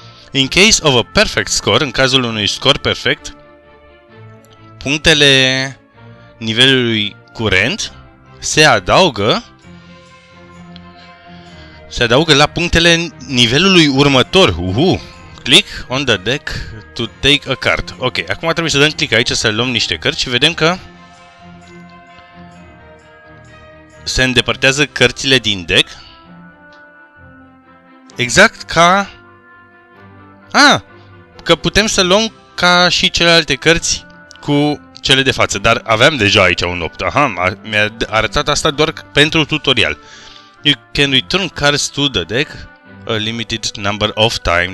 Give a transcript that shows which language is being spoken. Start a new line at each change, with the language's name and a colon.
English: In case of a perfect score,
Romanian: în cazul unui score perfect, punctele nivelului curent se adaugă la punctele nivelului următor. Uhu!
English: Click on the deck to take a card.
Romanian: Ok, acum trebuie să dăm click aici să luăm niște cărți și vedem că se îndepărtează cărțile din deck. Exact ca că putem să luăm ca și celelalte cărți cu cele de față, dar aveam deja aici un 8. Aha, mi-a arătat asta doar pentru tutorial.
English: You can return cards to the deck a limited number of time.